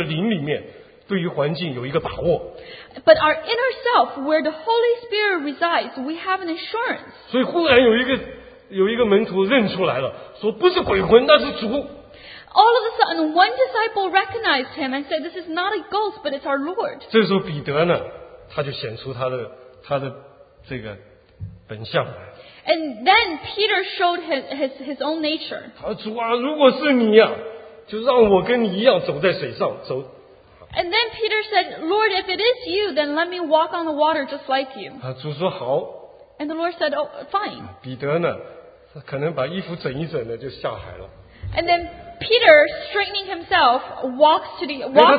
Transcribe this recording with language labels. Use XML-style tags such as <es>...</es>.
<zh>但是我们里面的人就是圣灵所居住的灵里面，对于环境有一个把握。</zh> <en>But our inner self, where the Holy Spirit resides, we have an assurance.</en> <zh>所以忽然有一个门徒认出来了，说不是鬼魂，那是主。</zh> <en>All of a sudden, one disciple recognized him and said, this is not a ghost, but it's our Lord.</en> <zh>这时候彼得呢,他就显出他的这个本相来。</zh> <en>And then Peter showed his own nature.</en> <zh>他说,主啊,如果是你啊,就让我跟你一样走在水上,走。</zh> <en>And then Peter said, Lord, if it is you, then let me walk on the water just like you.</en> <zh>主说好。</zh> <en>And the Lord said, oh, fine.</en> <zh>彼得呢,可能把衣服整一整的就下海了。</zh> <en>And then Peter, straightening himself, walks to the water.</en>